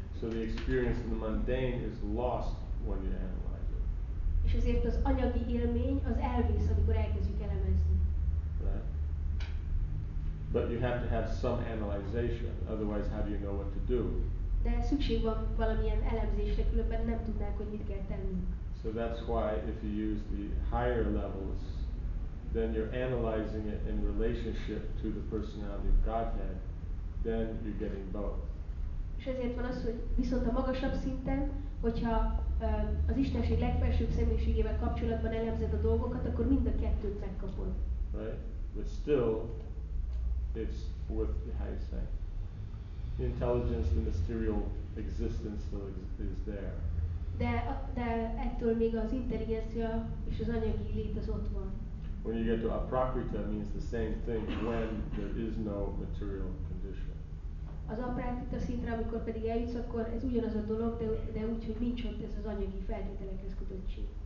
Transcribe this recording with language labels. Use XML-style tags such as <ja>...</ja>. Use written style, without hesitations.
<en>So the experience in the mundane is lost when you analyze it.</en> <hu>És ezért az anyagi élmény az elvész, amikor elkezdjük elemezni.</hu> <en>Right. But you have to have some analyzation, otherwise how do you know what to do?</en> <hu>De szükség van valamilyen elemzésre, különben nem tudnánk, hogy mit kell tennünk.</hu> <en>So that's why if you use the higher levels, then you're analyzing it in relationship to the personality of Godhead, then you're getting both.</en> <hu>És ezért van az, hogy viszont a magasabb szinten, hogyha az Istenség legfelsőbb személyiségével kapcsolatban elemzed a dolgokat, akkor mind a kettőt megkapod.</hu> <en>Right? But still, it's worth, how you say, intelligence, the material existence still is there.</en> <hu>De ettől még az intelligencia és az anyagi lét az ott van.</hu> <en>When you get to aprakriti, it means the same thing when there is no material condition.</en> <hu>Az aprakriti szintre, amikor pedig eljutsz, akkor ez ugyanaz a dolog, de úgy, hogy nincs ott ez az anyagi feltételekhez kötöttség.</hu>